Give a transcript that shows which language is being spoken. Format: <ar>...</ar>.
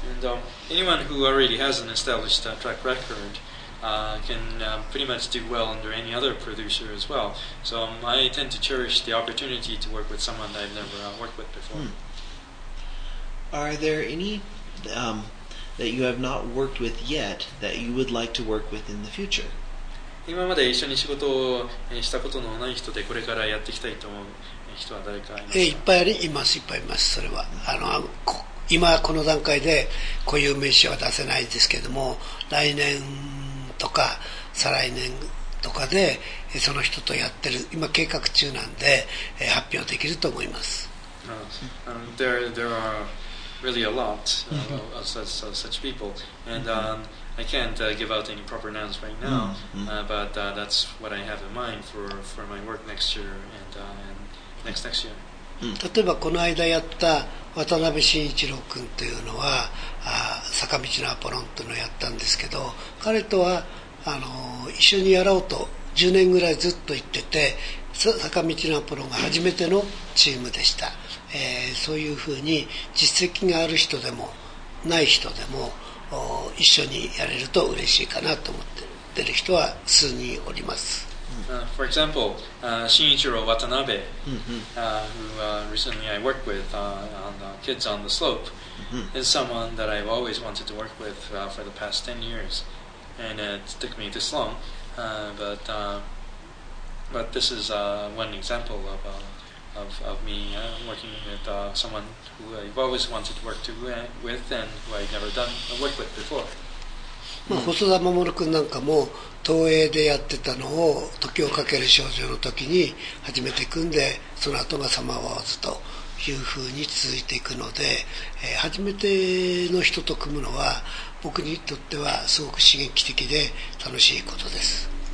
<en>And, anyone who already has an established track record can pretty much do well under any other producer as well. So I tend to cherish the opportunity to work with someone that I've never worked with before. Are there any that you have not worked with yet that you would like to work with in the future?</en> <ja>今まで一緒に仕事をしたことのない人でこれからやっていきたいと思う人は誰かいますか？いっぱいあります、いっぱいいます。それは今この段階で固有名詞は出せないですけども、来年とか再来年とかでその人とやってる、今計画中なんで発表できると思います。</ja> <en>There are really a lot of such people, and I can't give out any proper nouns right now, but that's what I have in mind for my work next year and next year.</en> <ja>例えばこの間やった渡辺慎一郎君というのは、坂道のアポロンというのをやったんですけど、彼とは一緒にやろうと10年ぐらいずっと言ってて、坂道のアポロンが初めてのチームでした、そういうふうに実績がある人でもない人でも一緒にやれると嬉しいかなと思って出る人は数人おります。</ja> <en>For example, Shinichiro Watanabe, who recently I worked with on the Kids on the Slope, is someone that I've always wanted to work with for the past 10 years. And it took me this long, but this is one example of me working with someone who I've always wanted to work with and who I've never worked with before.</en> <ja>まあ、細田守君なんかも東映でやってたのを時をかける少女の時に初めて組んで、その後がサマーワーズとというふうに続いていくので、初めての人と組むのは僕にとってはすごく刺激的で楽しいことです。</ja>